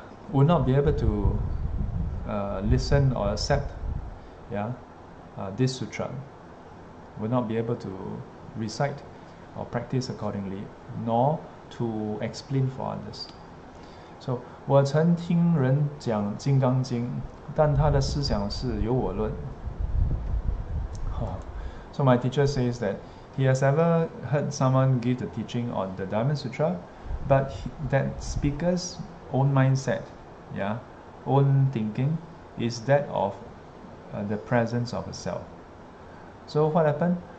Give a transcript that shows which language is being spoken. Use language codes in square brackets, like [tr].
[en] would not be able to listen or accept, yeah, this sutra, would not be able to recite or practice accordingly, nor to explain for others. [zh] So, 我曾听人讲《金刚经》，但他的思想是由我论. [en] So my teacher says that he has ever heard someone give the teaching on the Diamond Sutra, but that speaker's own mindset, yeah, own thinking, is that of the presence of a self. So what happened?